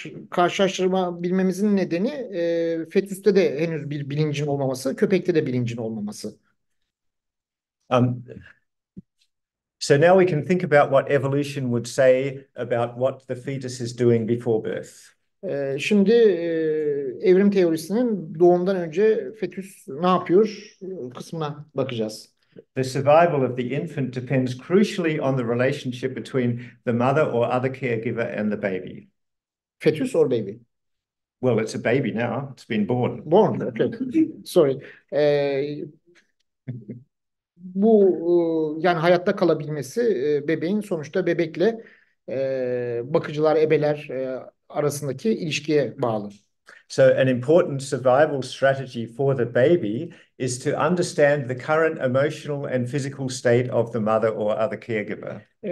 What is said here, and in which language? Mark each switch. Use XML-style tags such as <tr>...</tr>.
<tr>Karşılaştırma bilmemizin nedeni fetüste de henüz bir bilincin olmaması, köpekte de bilincin olmaması.</tr> <en>So now we can think about what evolution would say about what the fetus is doing before birth.</en> <tr>Şimdi evrim teorisinin doğumdan önce fetüs ne yapıyor kısmına bakacağız.</tr> <en>The survival of the infant depends crucially on the relationship between the mother or other caregiver and the baby. Fetüs or baby? Well, it's a baby now. It's been born. Born, okay. Sorry.</en> <tr>Bu yani hayatta kalabilmesi bebeğin sonuçta bebekle bakıcılar, ebeler arasındaki ilişkiye bağlı.</tr> <en>So an important survival strategy for the baby is to understand the current emotional and physical state of the mother or other caregiver.</en>